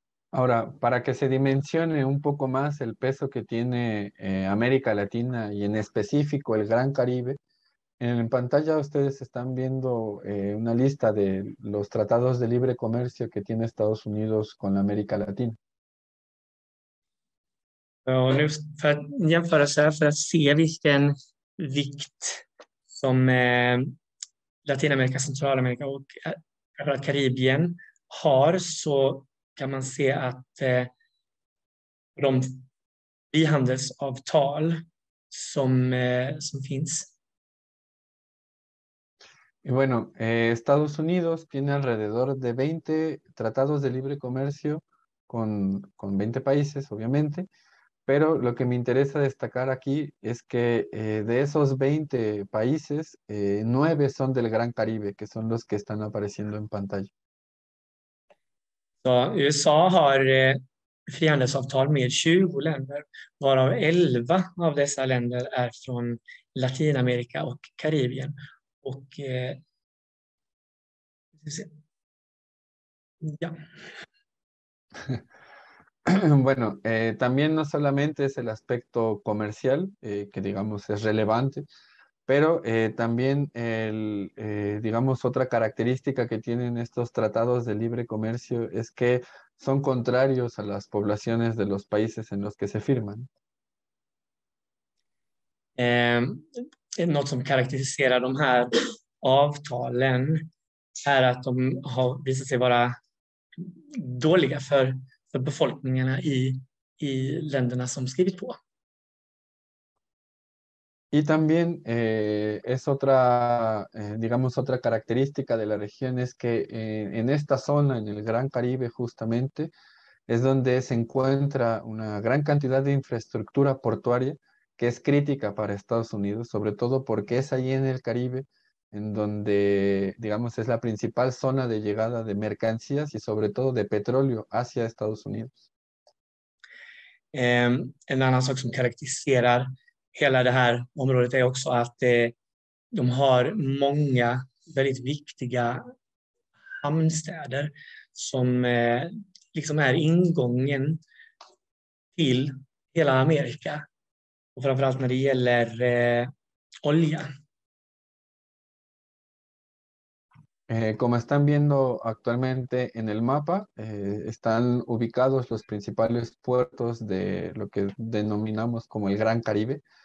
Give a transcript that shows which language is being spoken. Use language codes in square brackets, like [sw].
[es] Ahora, para que se dimensione un poco más el peso que tiene América Latina y en específico el Gran Caribe, en pantalla ustedes están viendo una lista de los tratados de libre comercio que tiene Estados Unidos con América Latina. [sv] Nu för att jämföra så här, för att se vilken vikt som Latinamerika, Centralamerika och Karibien har, så kan man se att de frihandelsavtal som finns. [es] Y bueno, Estados Unidos tiene alrededor de 20 tratados de libre comercio con 20 países, obviamente, pero lo que me interesa destacar aquí es que de esos 20 países, 9 son del Gran Caribe, que son los que están apareciendo en pantalla. [sv] Så USA har frihandelsavtal med 20 länder, varav 11 av dessa länder är från Latinamerika och Karibien. Och ja. [es] Bueno, también no solamente es el aspecto comercial que digamos es relevante. Pero también, digamos, otra característica que tienen estos tratados de libre comercio es que son contrarios a las poblaciones de los países en los que se firman. [sv] Något som karaktäriserar de här avtalen är att de har visat sig vara dåliga för befolkningarna i länderna som skrivit på. [es] Y también es otra, digamos, otra característica de la región es que en esta zona, en el Gran Caribe justamente, es donde se encuentra una gran cantidad de infraestructura portuaria que es crítica para Estados Unidos, sobre todo porque es ahí en el Caribe en donde, digamos, es la principal zona de llegada de mercancías y sobre todo de petróleo hacia Estados Unidos. [sv] En [es] una cosa que caracteriza [sv] hela det här området är också att de har många väldigt viktiga hamnstäder som liksom är ingången till hela Amerika. Och framförallt när det gäller olja. [es] Como están viendo actualmente en el mapa, están ubicados los principales puertos de lo que denominamos como el Gran Caribe.